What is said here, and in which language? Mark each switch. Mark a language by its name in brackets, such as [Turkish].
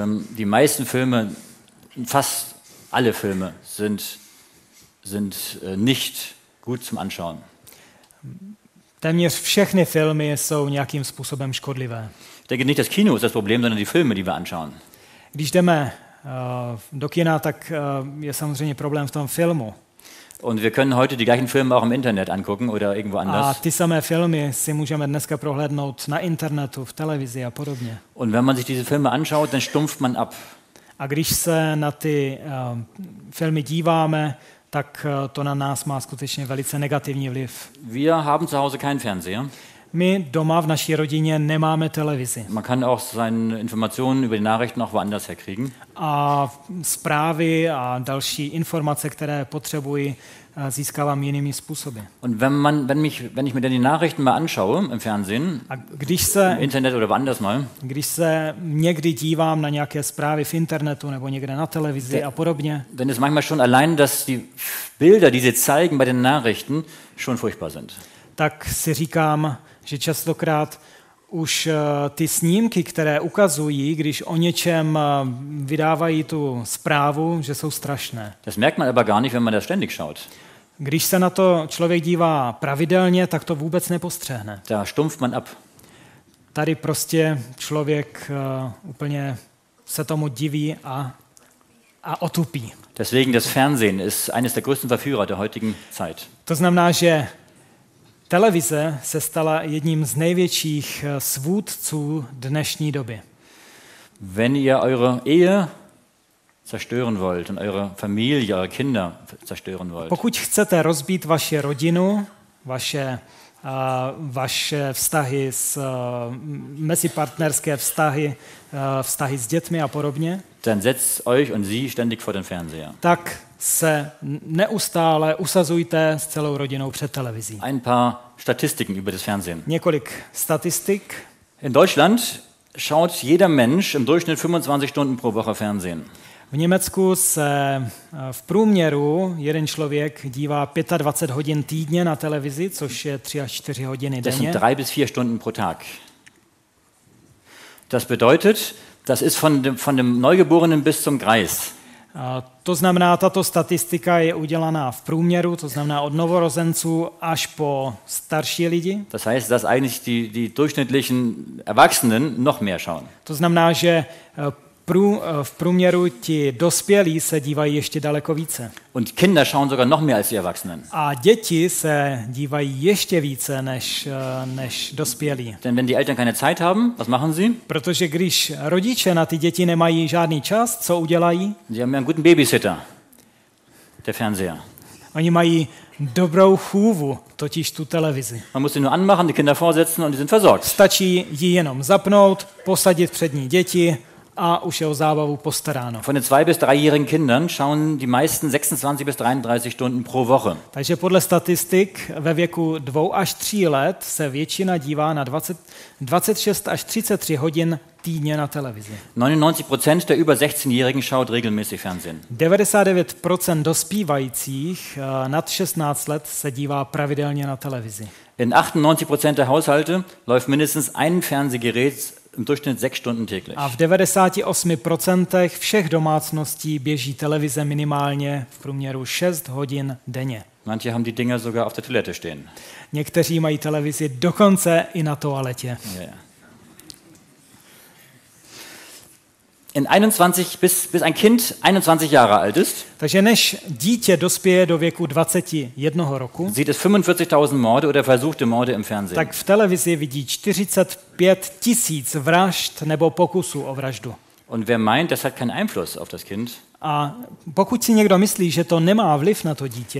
[German] Die meisten Filme, fast alle Filme sind nicht gut zum Anschauen. [Czech] Téměř všechny filmy jsou nějakým způsobem škodlivé. [German] Ich denke nicht, das Kino ist das Problem, sondern die Filme, die wir anschauen. [Czech] Když jdeme do kina, tak je samozřejmě problém v tom filmu. [German] Und wir können heute die gleichen Filme auch im Internet angucken oder irgendwo anders. [Czech] A ty samé filmy si můžeme dneska prohlédnout na internetu, v televizi a podobně. [German] Und wenn man sich diese Filme anschaut, dann stumpft man ab. [Czech] A když se na ty filmy díváme, tak to na nás má skutečně velice negativní vliv. [German] Wir haben zu Hause keinen Fernseher. [Czech] My doma v naší rodině nemáme televizi. [German] Man kann auch seine Informationen über die Nachrichten auch woanders herkriegen. [Czech] A zprávy a další informace, které potřebuji, získávám jinými způsoby. [German] Und wenn ich mir dann die Nachrichten mal anschaue im Fernsehen, im Internet oder woanders mal, [Czech] když se někdy dívám na nějaké zprávy v internetu nebo někde na televizi a podobně, [German] dann ist manchmal schon allein, dass die Bilder, die sie zeigen bei den Nachrichten, schon furchtbar sind. [Czech] Tak si říkám, že častokrát už ty snímky, které ukazují, když o něčem vydávají tu zprávu, že jsou strašné. [German] Das merkt man aber gar nicht, wenn man das ständig schaut. [Czech] Když se na to člověk dívá pravidelně, tak to vůbec nepostřehne. [German] Da stumpft man ab. [Czech] Tady prostě člověk úplně se tomu diví a otupí. [German] Deswegen das Fernsehen ist eines der größten Verführer der heutigen Zeit. [Czech] To znamená, že televize se stala jedním z největších svůdců dnešní doby. [German] Wenn ihr eure Ehe zerstören wollt und eure Familie, eure Kinder zerstören wollt. [Czech] Pokud chcete rozbít vaši rodinu, vaše vaše vztahy s mezipartnerské vztahy, vztahy s dětmi a podobně. [German] Dann setzt euch und sie ständig vor den Fernseher. [Czech] Tak se neustále usazujte s celou rodinou před televizí. [German] Ein paar Statistiken über das Fernsehen. [Czech] Několik statistik. [German] In Deutschland schaut jeder Mensch im Durchschnitt 25 Stunden pro Woche Fernsehen. [Czech] V Německu se v průměru jeden člověk dívá 25 hodin týdně na televizi, což je 3 až 4 hodiny denně. [German] Das sind 3 bis 4 Stunden pro Tag. Das bedeutet, das ist von dem Neugeborenen bis zum Greis. [Czech] To znamená, tato statistika je udělaná v průměru, to znamená od novorozenců až po starší lidi. [German] Das heißt, dass eigentlich die durchschnittlichen Erwachsenen noch mehr schauen. [Czech] To znamená, že v průměru ti dospělí se dívají ještě daleko více. [German] Und Kinder schauen sogar noch mehr als die Erwachsenen. [Czech] A děti se dívají ještě více než dospělí. [German] Denn wenn die Eltern keine Zeit haben, was machen sie? [Czech] Protože když rodiče na ty děti nemají žádný čas, co udělají? [German] Sie haben einen guten Babysitter. Der Fernseher. [Czech] Oni mají dobrou chůvu, totiž tu televizi. [German] Man muss sie nur anmachen, die Kinder vorsetzen und die sind versorgt. [Czech] Stačí ji jenom zapnout, posadit přední děti a už je o zábavu postaráno. [German] Von den 2 bis 3-jährigen Kindern schauen die meisten 26 bis 33 Stunden pro Woche. [Czech] Takže podle statistik ve věku 2 až 3 let se většina dívá na 26 až 33 hodin týdně na televizi. [German] 99% der über 16-jährigen schaut regelmäßig Fernsehen. [Czech] 99% dospívajících nad 16 let se dívá pravidelně na televizi. [German] In 98% der Haushalte läuft mindestens ein Fernsehgerät im Durchschnitt 6 Stunden täglich. [Czech] A v 98% všech domácností běží televize minimálně v průměru 6 hodin denně. [German] Manche haben die Dinger sogar auf der Toilette stehen. [Czech] Někteří mají televizi dokonce i na toaletě. [German] In 21 bis ein Kind 21 Jahre alt ist. [Czech] Takže než dítě dospěje do věku 21 roku. [German] Sieht es 45.000 Morde oder versuchte Morde im Fernsehen. [Czech] Tak v televizi vidí 45.000 vražd nebo pokusů o vraždu. [German] Und wer meint, das hat keinen Einfluss auf das Kind? [Czech] A pokud si někdo myslí, že to nemá vliv na to dítě.